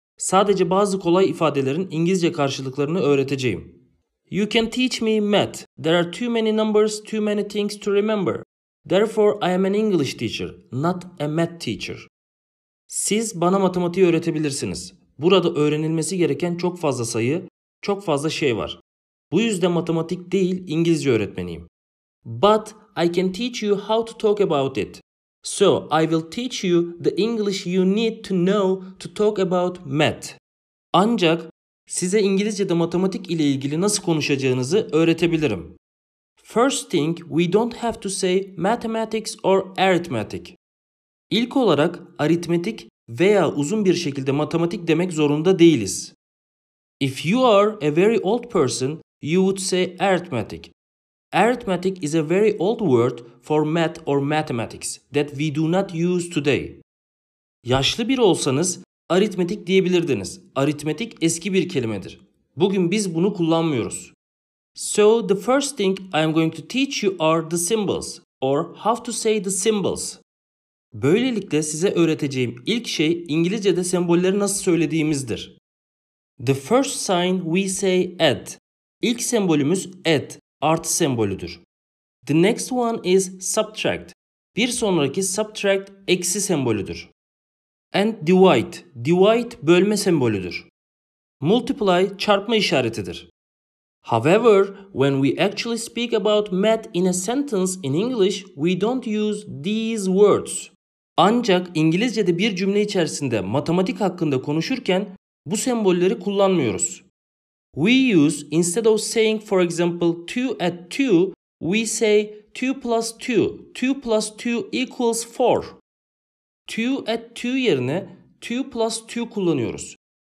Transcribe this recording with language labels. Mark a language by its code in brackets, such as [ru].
[tr] Sadece bazı kolay ifadelerin İngilizce karşılıklarını öğreteceğim. [en] You can teach me math. There are too many numbers, too many things to remember. Therefore, I am an English teacher, not a math teacher. [tr] Siz bana matematiği öğretebilirsiniz. Burada öğrenilmesi gereken çok fazla sayı, çok fazla şey var. Bu yüzden matematik değil, İngilizce öğretmeniyim. [en] But I can teach you how to talk about it. So, I will teach you the English you need to know to talk about math. [tr] Ancak size İngilizce'de matematik ile ilgili nasıl konuşacağınızı öğretebilirim. [en] First thing, we don't have to say mathematics or arithmetic. [tr] İlk olarak aritmetik veya uzun bir şekilde matematik demek zorunda değiliz. [en] If you are a very old person, you would say arithmetic. Arithmetic is a very old word for math or mathematics that we do not use today. [tr] Yaşlı bir olsanız aritmetik diyebilirdiniz. Aritmetik eski bir kelimedir. Bugün biz bunu kullanmıyoruz. [en] So the first thing I am going to teach you are the symbols or how to say the symbols. [tr] Böylelikle size öğreteceğim ilk şey İngilizce'de sembolleri nasıl söylediğimizdir. [en] The first sign we say at. [tr] İlk sembolümüz at. Artı sembolüdür. [en] The next one is subtract. [tr] Bir sonraki subtract eksi sembolüdür. [en] And divide. [tr] Divide bölme sembolüdür. Multiply çarpma işaretidir. [en] However, when we actually speak about math in a sentence in English, we don't use these words. [tr] Ancak İngilizce'de bir cümle içerisinde matematik hakkında konuşurken bu sembolleri kullanmıyoruz. [en] We use, instead of saying, for example, 2 at 2, we say 2 plus 2. 2 plus 2 equals 4. [tr] 2 at 2 yerine 2 plus 2 kullanıyoruz.